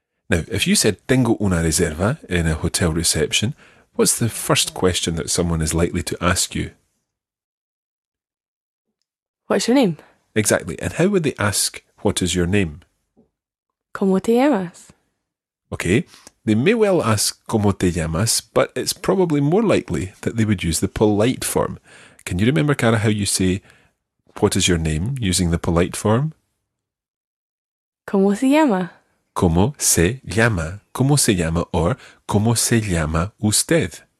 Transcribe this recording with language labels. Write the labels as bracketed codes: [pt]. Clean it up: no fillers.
[en] Now, if you said [es] tengo una reserva [en] in a hotel reception, what's the first question that someone is likely to ask you? What's your name? Exactly, and how would they ask what is your name? [es] ¿Cómo te llamas? [en] Okay. They may well ask, [es] ¿cómo te llamas? [en] But it's probably more likely that they would use the polite form. Can you remember, Cara, how you say, what is your name, using the polite form? [es] ¿Cómo se llama? ¿Cómo se llama? ¿Cómo se llama? [en] Or, [es] ¿cómo se llama usted?